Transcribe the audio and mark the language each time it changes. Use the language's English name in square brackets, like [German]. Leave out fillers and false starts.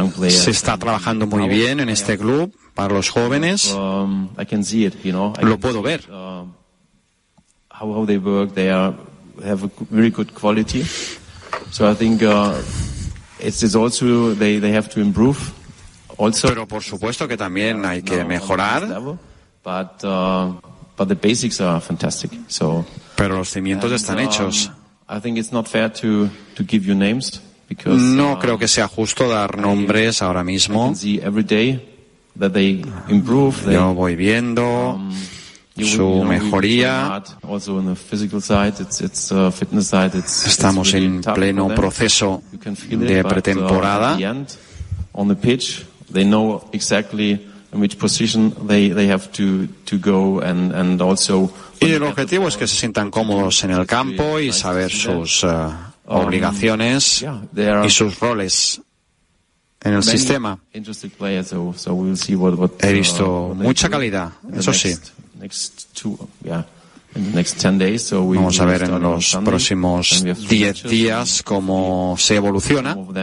[Spanish] Se está trabajando muy bien en este club para los jóvenes. Lo puedo ver. [English] How they work, they have a very good quality. So I think it's also they have to improve. [Spanish] Pero por supuesto que también hay que mejorar. [English] But the basics are fantastic. So, [Spanish] pero los cimientos están hechos. [English] I think it's not fair to give you names, because [Spanish] no creo que sea justo dar nombres ahora mismo. [English] I can see every day that they improve. [Spanish] Yo voy viendo su mejoría. [English] Also on the physical side, it's fitness side, it's [Spanish] estamos en pleno proceso de pretemporada. [English] On the pitch, they know exactly in which position they have to go and also. [Spanish] Y el objetivo es que se sientan cómodos en el campo y saber sus obligaciones y sus roles en el sistema. He visto mucha calidad, eso sí. Vamos a ver en los próximos 10 días cómo se evoluciona.